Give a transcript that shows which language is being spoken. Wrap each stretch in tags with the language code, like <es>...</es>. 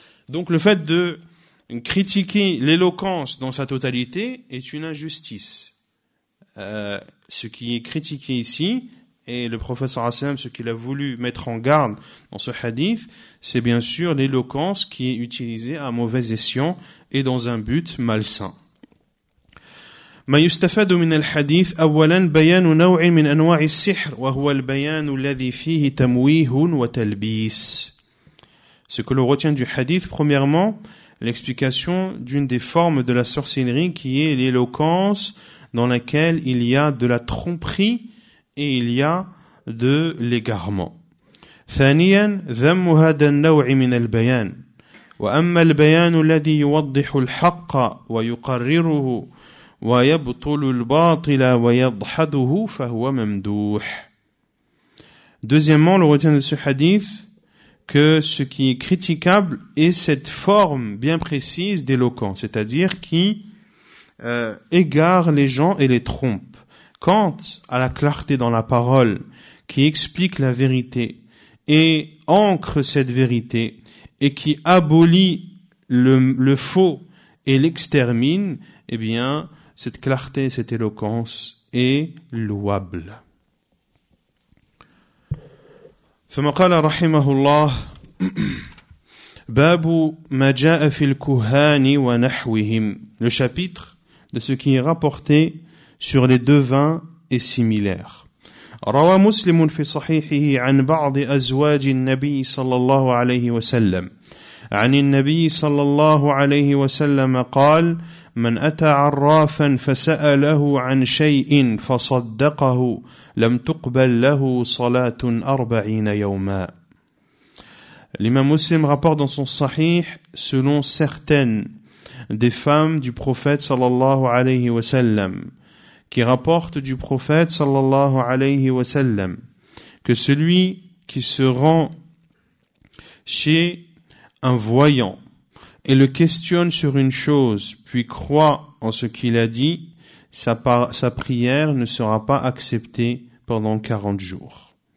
<fr>Donc le fait de critiquer l'éloquence dans sa totalité est une injustice. Ce qui est critiqué ici, et le professeur Hassan, ce qu'il a voulu mettre en garde dans ce hadith, c'est bien sûr l'éloquence qui est utilisée à mauvais escient et dans un but malsain.</fr> <ar>ما يستفاد من الحديث أولا بيان نوع من أنواع السحر وهو البيان الذي فيه تمويه وتلبيس.</ar> <fr>Ce que l'on retient du hadith, premièrement, l'explication d'une des formes de la sorcellerie qui est l'éloquence dans laquelle il y a de la tromperie et il y a de l'égarement.</fr> <ar>ثانيا ذم هذا النوع من البيان وأما البيان الذي يوضح الحق ويقرره ويبطل الباطل ويضحده فهو ممدوح.</ar> <fr>Deuxièmement, on retient de ce hadith que ce qui est critiquable est cette forme bien précise d'éloquence, c'est-à-dire qui égare les gens et les trompe. Quant à la clarté dans la parole qui explique la vérité et ancre cette vérité et qui abolit le faux et l'extermine, eh bien cette clarté, cette éloquence est louable.</fr> <ar>ثم قال رحمه الله باب ما جاء في الكهان ونحوهم.</ar> <fr>Le chapitre de ce qui est rapporté sur les devins et similaires.</fr> <ar>روى مسلم في صحيحه عن بعض أزواج النبي صلى الله عليه وسلم عن النبي صلى الله عليه وسلم قال من أتى عرافا فسأله عن شيء فصدقه لم تقبل له صلاة أربعين يوما.</ar> <fr>L'imam Muslim rapporte dans son sahih, selon certaines des femmes du prophète sallallahu alayhi wa sallam, qui rapporte du prophète sallallahu alayhi wa sallam que celui qui se rend chez un voyant et le questionne sur une chose, puis croit en ce qu'il a dit, sa prière ne sera pas acceptée pendant 40 jours.</fr>